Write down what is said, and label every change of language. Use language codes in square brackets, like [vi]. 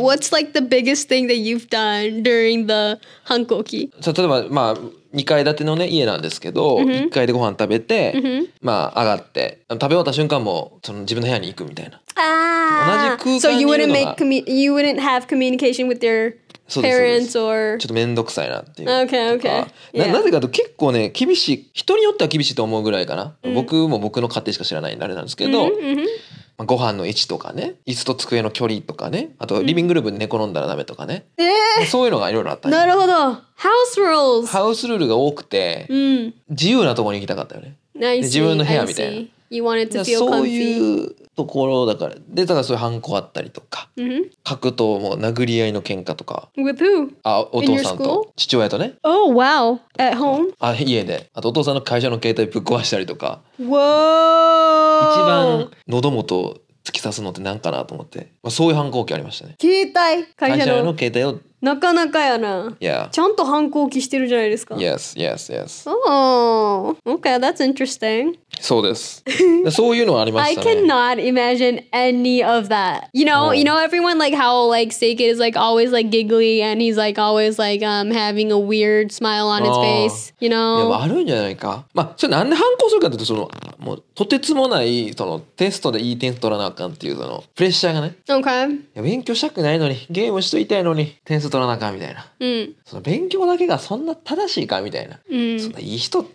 [en] What's like the biggest thing that you've done during the 反抗期 [ja] 例えば、まあ2階建ての、ね、家なんですけど、mm-hmm. 1階でご飯食べて、 mm-hmm. まあ上がって食べ終わった瞬間もその自分の部屋に行くみたいな、 [en] ah. [ja] 同じ空間にいるのが、 [en] so、you wouldn't have communication with your parents or [ja] ちょっとめんどくさいなっていう [en] okay, okay.、 Yeah. [ja] なぜかと結構ね厳しい人によっては厳しいと思うぐらいかな、mm-hmm. 僕も僕の家庭しか知らないあれなんですけど、 mm-hmm. まあ、ご飯の位置とかね椅子と机の距離とかねあとリビングルームに寝転んだらダメとかね、 mm-hmm. そういうのがいろいろあったなるほどHouse rules. House rules が多くて、うん、自由なところに行きたかったよね。 [en] See, [ja] 自分の部屋みたいな。 [en] You wanted to feel comfy. [ja] そういうところだから、でただそういう反抗あったりとか、 mm-hmm. 格闘も殴り合いの喧嘩とか。 [en] With who? [ja] あ、お父さんと父親とね。 [en] Oh wow! At home? [ja] あ、家で。あとお父さんの会社の携帯ぶっ壊したりとか。 [en] Whoa! [ja] 一番喉元突き刺すのって何かなと思って、まあ、そういう反抗期ありましたね。携帯、会社の携帯を。なかなかやな、 [en] yeah. [ja] ちゃんと反抗期してるじゃないですか [en] Yes, yes, yes Oh, okay, that's interesting [ja] そうですそういうのはありましたね [en] I cannot imagine any of that You know everyone like how like Seike is like always like giggly And he's like always like having a weird smile on his face You know [ja] いや、あるんじゃないかまあ、それなんで反抗するかというとそのもうとてつもないそのテストでいい点取らなあかんっていうそのプレッシャーがね [en] Okay [ja] いや勉強したくないのにゲームしといたいのに点取らなかみたいな、うん、その勉強だけがそんな正しいかみたいな、うん、そんないい人